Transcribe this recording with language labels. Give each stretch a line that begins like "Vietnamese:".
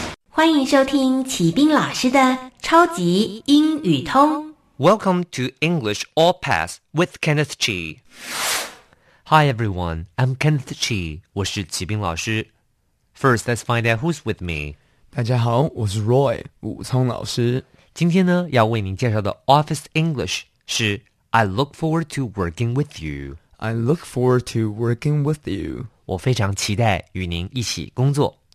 Chinese: 欢迎收听启斌老师的超级英语通。
English: Welcome to English All Pass with Kenneth Chi. Hi everyone, I'm Kenneth Chi,
Chinese: 我是启斌老师。
English: First, let's find out who's with me.
Chinese: 大家好,我是 Roy, 武聪老师。今天呢,要为您介绍的 Office English 是
English: I look forward to working with you. I look forward to working with you.
Chinese: 我非常期待与您一起工作。